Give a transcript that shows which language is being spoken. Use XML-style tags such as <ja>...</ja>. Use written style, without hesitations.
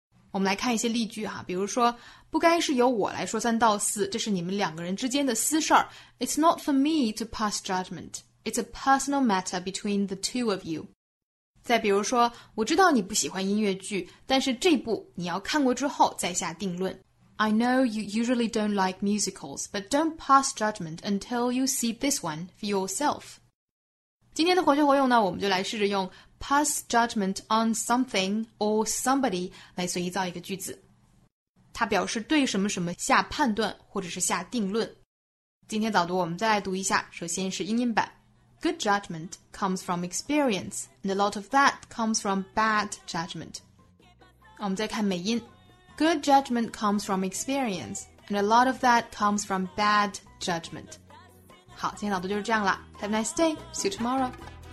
<zh>我们来看一些例句哈比如说不该是由我来说三道四这是你们两个人之间的私事儿。</zh> <en>It's not for me to pass judgment. It's a personal matter between the two of you.</en> <zh>再比如说我知道你不喜欢音乐剧但是这部你要看过之后再下定论。</zh> <en>I know you usually don't like musicals, but don't pass judgment until you see this one for yourself.</en> <zh>今天的活学活用呢，我们就来试着用</zh> <en>pass judgment on something or somebody</en> <zh>来随意造一个句子。它表示对什么什么下判断或者是下定论。今天早读我们再来读一下，首先是英音版。</zh> <en>Good judgment comes from experience, and a lot of that comes from bad judgment.</en> <zh>我们再看美音。</zh> <en>Good judgment comes from experience, and a lot of that comes from bad judgment.</en> <zh>好，今天导读就是这样了。</zh> <en>Have a nice day. See you tomorrow.</en>